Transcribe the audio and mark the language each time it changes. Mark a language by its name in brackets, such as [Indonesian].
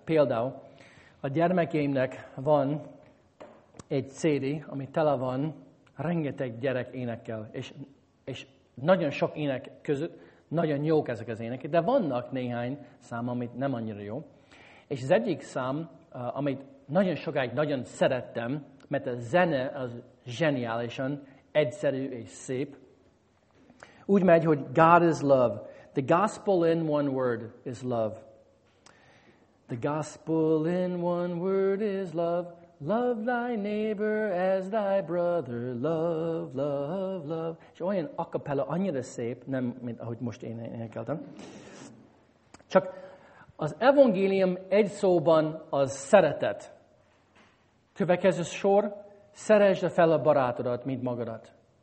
[Hungarian] Például a gyermekeimnek van egy CD, ami tele van rengeteg gyerek énekkel, és nagyon sok ének között nagyon jók ezek az énekek, de vannak néhány szám, amit nem annyira jó. És az egyik szám, amit nagyon sokáig nagyon szerettem, mert a zene az zseniálisan egyszerű és szép. Úgy megy, hogy [English] God is love. The gospel in one word is love. The gospel in one word is love. Love thy neighbor as thy brother. Love, love, love. [Hungarian] És olyan a cappella, annyira szép, nem, mint ahogy most én énekeltem. Csak az evangélium egy szóban az szeretet. Következő sor, szeresd fel a barátodat, mint magadat.